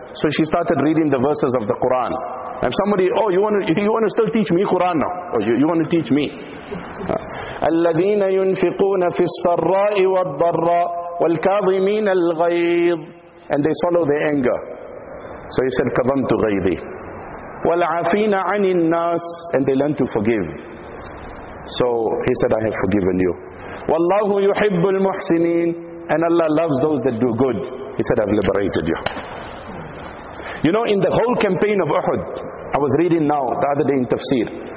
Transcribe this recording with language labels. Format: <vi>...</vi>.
<en>So she started reading the verses of the Quran. And somebody, oh, you want to still teach me Quran now? Oh, you want to teach me?</en> <ar>الَّذِينَ يُنْفِقُونَ فِي السَّرَّاءِ وَالضَّرَّاءِ وَالْكَاظِمِينَ الْغَيْظِ.</ar> <en>And they swallow their anger. So he said,</en> <ar>كَظَمْتُ غَيْظِي وَالْعَفِينَ عَنِ النَّاسِ.</ar> <en>And they learned to forgive. So he said, I have forgiven you.</en> <ar>وَاللَّهُ يُحِبُّ الْمُحْسِنِينَ.</ar> <en>And Allah loves those that do good. He said, I've liberated you. You know, in the whole campaign of Uhud, I was reading now, the other day in Tafsir.</en>